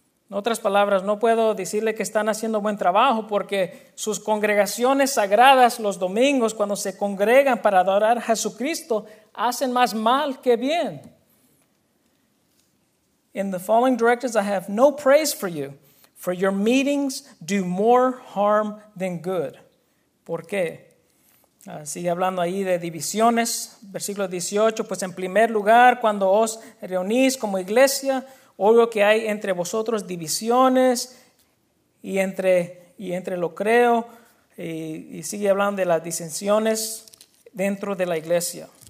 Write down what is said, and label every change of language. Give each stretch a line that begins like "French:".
Spanish: En otras palabras, no puedo decirle que están haciendo buen trabajo porque sus congregaciones sagradas los domingos, cuando se congregan para adorar a Jesucristo, hacen más mal que bien.
English: In the following directives, I have no praise for you, for your meetings do more harm than good.
Spanish: ¿Por qué? Sigue hablando ahí de divisiones. Versículo 18, pues en primer lugar, cuando os reunís como iglesia, oigo que hay entre vosotros divisiones Y entre lo creo y sigue hablando de las disensiones dentro de la iglesia.